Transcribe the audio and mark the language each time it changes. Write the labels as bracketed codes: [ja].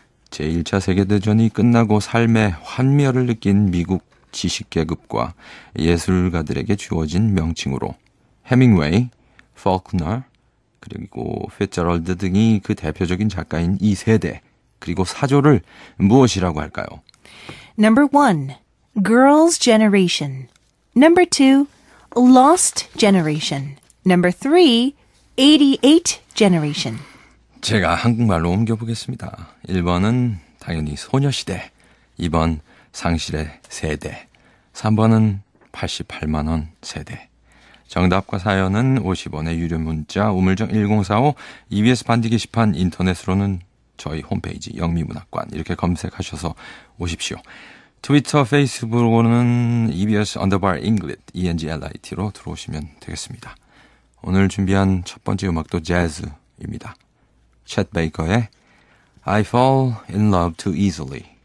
[ko] 제1차 세계대전이 끝나고 삶의 환멸을 느낀 미국 지식계급과 예술가들에게 주어진 명칭으로 해밍웨이, 폴크너, 그리고 피츠제럴드 등이 그 대표적인 작가인 이 세대, 그리고 사조를 무엇이라고 할까요? [en] Number one, Girls' Generation. Number two, Lost Generation. Number three, 88 Generation. [ko] 제가 한국말로 옮겨보겠습니다. 1번은 당연히 소녀시대, 2번 상실의 세대, 3번은 88만원 세대. 정답과 사연은 50원의 유료 문자 우물정 1045, EBS 반디 게시판 인터넷으로는 저희 홈페이지 영미문학관 이렇게 검색하셔서 오십시오. 트위터, 페이스북으로는 EBS Underbar English, ENGLIT로 들어오시면 되겠습니다. 오늘 준비한 첫 번째 음악도 재즈입니다. 챗 베이커의 I Fall In Love Too Easily.